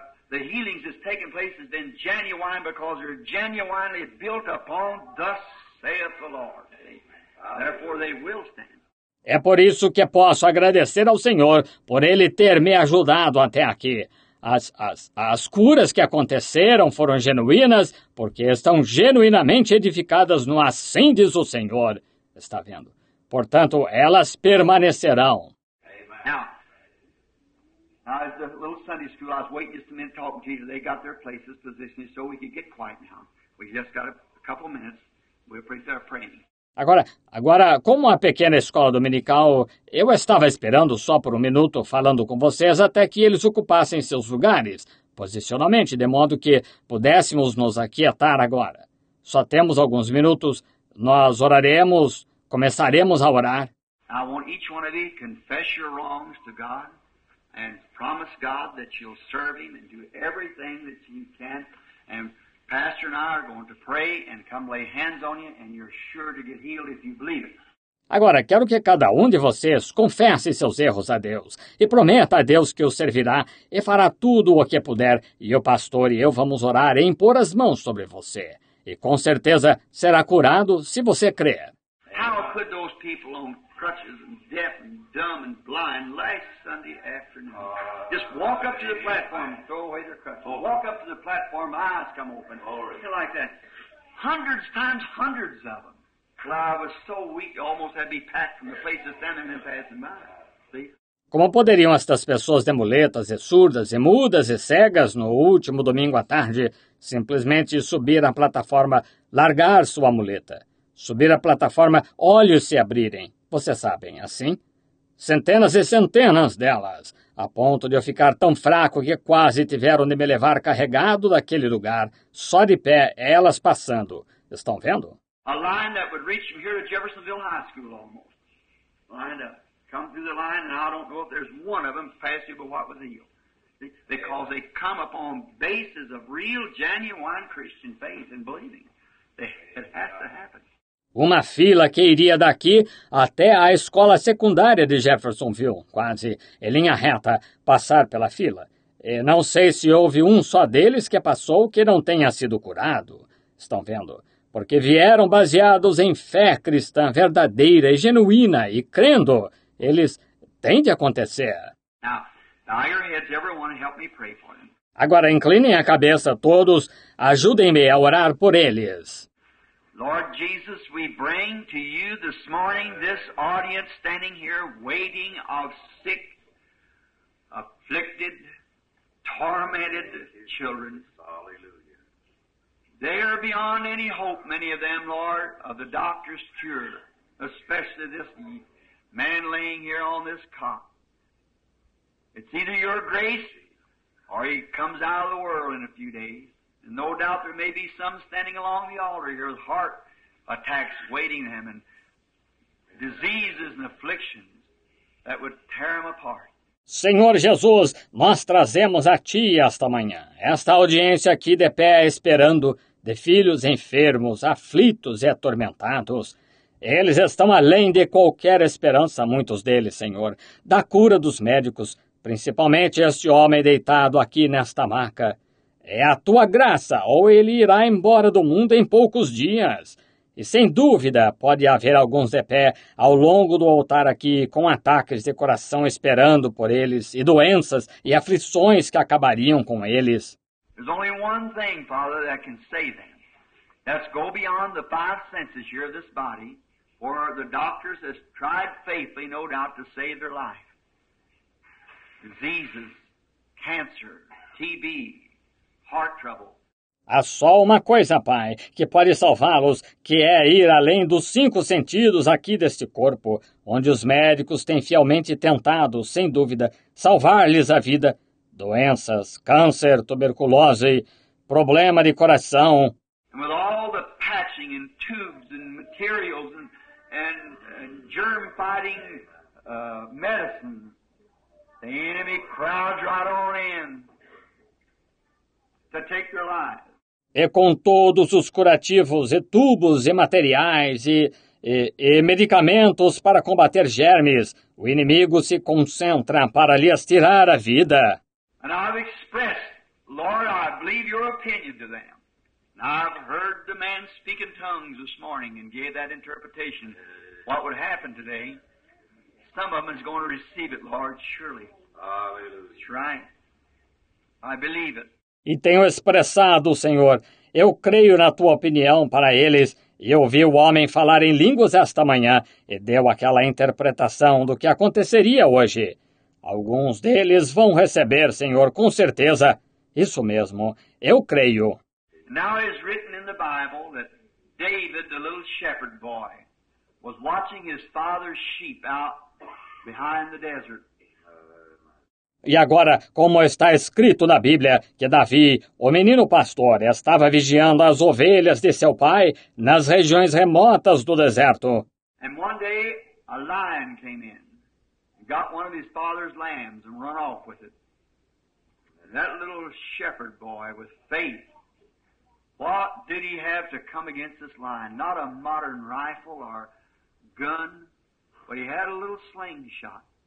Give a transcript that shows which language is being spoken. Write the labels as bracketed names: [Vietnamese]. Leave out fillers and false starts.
[English] The healings that's taken place has been genuine because they're genuinely built upon, thus saith the Lord. Amen. Therefore they will stand. [Portuguese] É por isso que posso agradecer ao Senhor por Ele ter me ajudado até aqui. As curas que aconteceram foram genuínas porque estão genuinamente edificadas no assim diz o Senhor. Está vendo? Portanto, elas permanecerão. Amen. [English] Now, as the little Sunday school, I was waiting just a minute talking to you. They got their places positioned so we could get quiet now. We just got a couple minutes. We'll pray there praying. [Portuguese] Agora, como a pequena escola dominical, eu estava esperando só por um minuto falando com vocês até que eles ocupassem seus lugares, posicionalmente, de modo que pudéssemos nos aquietar agora. Só temos alguns minutos. Nós oraremos, começaremos a orar. [English] I want each one of you to confess your wrongs to God. And promise God that you'll serve Him and do everything that you can. And Pastor and I are going to pray and come lay hands on you, and you're sure to get healed if you believe it. [Portuguese] Agora, quero que cada um de vocês confesse seus erros a Deus e prometa a Deus que o servirá e fará tudo o que puder. E o pastor e eu vamos orar e impor as mãos sobre você. E com certeza será curado se você crer. [English] How could those people on crutches and deaf and dumb and blind last Sunday afternoon? Just walk up to the platform and throw away their crutches. Oh. Walk up to the platform, eyes come open. Glory. Like that. Hundreds times hundreds of them. Well, I was so weak, almost had to be packed from the place of standing and passing by. See? [Portuguese] Como poderiam estas pessoas de muletas e surdas e mudas e cegas no último domingo à tarde simplesmente subir a plataforma, largar sua muleta? Subir a plataforma, olhos se abrirem. Vocês sabem, assim? Centenas e centenas delas, a ponto de eu ficar tão fraco que quase tiveram de me levar carregado daquele lugar, só de pé, elas passando. Estão vendo? [English] A line that would reach from here to Jeffersonville High School, almost. Lined up. Come through the line, and I don't know if there's one of them past you, but what was the deal? Because they come upon bases of real, genuine Christian faith and believing. It has to happen. [Portuguese] Uma fila que iria daqui até a escola secundária de Jeffersonville, quase, em linha reta, passar pela fila. E não sei se houve um só deles que passou que não tenha sido curado. Estão vendo? Porque vieram baseados em fé cristã verdadeira e genuína e crendo. Eles têm de acontecer. [English] Now your heads, everyone, help me pray for them. [Portuguese] Agora, inclinem a cabeça todos, ajudem-me a orar por eles. [English] Lord Jesus, we bring to you this morning this audience standing here waiting of sick, afflicted, tormented children. Hallelujah. They are beyond any hope, many of them, Lord, of the doctor's cure. especially this man laying here on this cot. It's either your grace or he comes out of the world in a few days. And no doubt there may be some standing along the altar here with heart attacks waiting him and diseases and afflictions that would tear him apart. [Portuguese] Senhor Jesus, nós trazemos a Ti esta manhã, esta audiência aqui de pé esperando de filhos enfermos, aflitos e atormentados. Eles estão além de qualquer esperança, muitos deles, Senhor, da cura dos médicos, principalmente este homem deitado aqui nesta maca. É a Tua graça, ou ele irá embora do mundo em poucos dias. E sem dúvida, pode haver alguns de pé ao longo do altar aqui com ataques de coração esperando por eles e doenças e aflições que acabariam com eles. [English] There's only one thing, Father, that can save them. Let's go beyond the five senses here of this body, where the doctors have tried faithfully, no doubt, to save their life. Diseases, cancer, TB, heart trouble. [Portuguese] Há só uma coisa, Pai, que pode salvá-los, que é ir além dos cinco sentidos aqui deste corpo, onde os médicos têm fielmente tentado, sem dúvida, salvar-lhes a vida. Doenças, câncer, tuberculose, problema de coração. [English] And with all the patching and tubes and materials and germ-fighting medicine, the enemy crowds right on in to take their lives. [Portuguese] E com todos os curativos e tubos e materiais e medicamentos para combater germes, o inimigo se concentra para lhes tirar a vida. [English] And I've expressed, Lord, I believe your opinion to them. And I've heard the man speak in tongues this morning and gave that interpretation. What would happen today? Some of them is going to receive it, Lord, surely. Hallelujah. That's right. I believe it. [Portuguese] E tenho expressado, Senhor, eu creio na Tua opinião para eles, e eu vi o homem falar em línguas esta manhã, e deu aquela interpretação do que aconteceria hoje. Alguns deles vão receber, Senhor, com certeza. Isso mesmo, eu creio. [English] Now it is written in the Bible that David, the little shepherd boy, was watching his father's sheep out behind the desert. [Portuguese] E agora, como está escrito na Bíblia, que Davi, o menino pastor, estava vigiando as ovelhas de seu pai nas regiões remotas do deserto. [English] And one day, a lion came in, got one of his father's lambs and run off with it. And that little shepherd boy, with faith, what did he have to come against this lion? Not a modern rifle or gun, but he had a little slingshot.